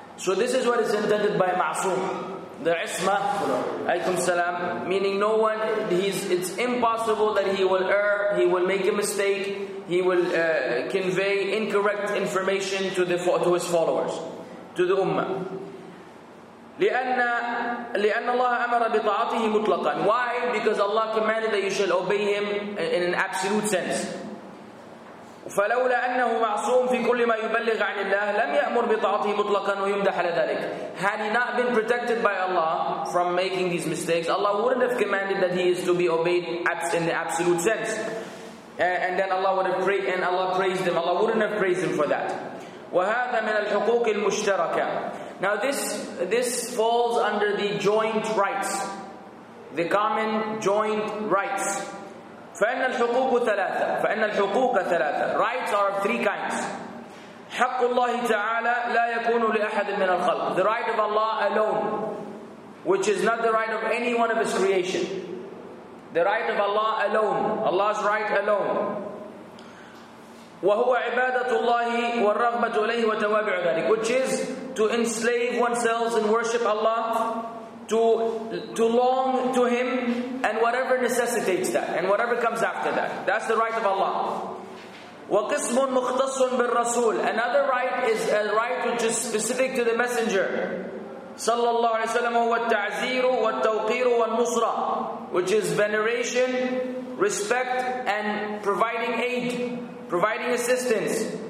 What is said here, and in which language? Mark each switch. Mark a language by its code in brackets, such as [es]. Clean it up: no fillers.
[en] So this is what is intended by ma'soom. The isma, alaykum salam, meaning no one, it's impossible that he will err, he will make a mistake, he will convey incorrect information to his followers, to the ummah. [ar] لأن الله أمر بطاعته مطلقا. [en] Why? Because Allah commanded that you shall obey him in an absolute sense. [ar] فلولا أنه معصوم في كل ما يبلغ عن الله لم يأمر بطاعته مطلقا ويمدح لذلك. [en] Had he not been protected by Allah from making these mistakes, Allah wouldn't have commanded that he is to be obeyed in the absolute sense. And then Allah would have prayed and Allah praised him. Allah wouldn't have praised him for that. [ar] وهذا من الحقوق المشتركة. [en] Now this falls under the joint rights, the common joint rights. [ar] فإن الحقوق ثلاثة. فإن الحقوق ثلاثة. [en] Rights are of three kinds. [ar] حق الله تعالى لا يكون لأحد من الخلق. [en] The right of Allah alone, which is not the right of any one of His creation. The right of Allah alone, Allah's right alone. [ar] وهو عبادة الله والرغبة إليه وتوابع ذلك. [en] Which is to enslave oneself and worship Allah, to long to Him, and whatever necessitates that, and whatever comes after that. That's the right of Allah. [ar] وقسم مختص بالرسول. [en] Another right is a right which is specific to the Messenger صلى الله عليه وسلم, [ar] هو التعزير والتوقير والنصرة, [en] which is veneration, respect, and providing aid, providing assistance.